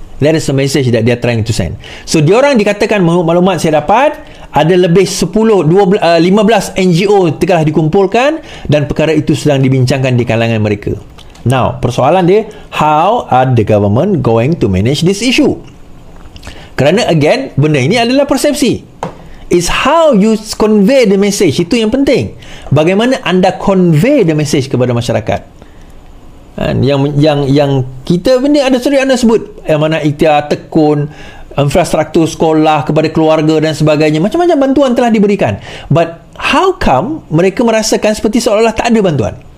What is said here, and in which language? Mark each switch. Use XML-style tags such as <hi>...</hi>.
<en>That is the message that they are trying to send.</en> <ms>So diorang dikatakan, menurut maklumat saya dapat, ada lebih 15 NGO telah dikumpulkan, dan perkara itu sedang dibincangkan di kalangan mereka.</ms> <en>Now,</en> <ms>persoalan dia,</ms> <en>how are the government going to manage this issue?</en> <ms>Kerana</ms> <en>again,</en> <ms>benda ini adalah persepsi.</ms> <en>It's how you convey the message.</en> <ms>Itu yang penting. Bagaimana anda</ms> <en>convey the message</en> <ms>kepada masyarakat. Yang kita benda ada sudah anda sebut. Yang mana ikhtiar, tekun, infrastruktur sekolah kepada keluarga dan sebagainya. Macam-macam bantuan telah diberikan.</ms> <en>But how come</en> <ms>mereka merasakan seperti seolah-olah tak ada bantuan?</ms>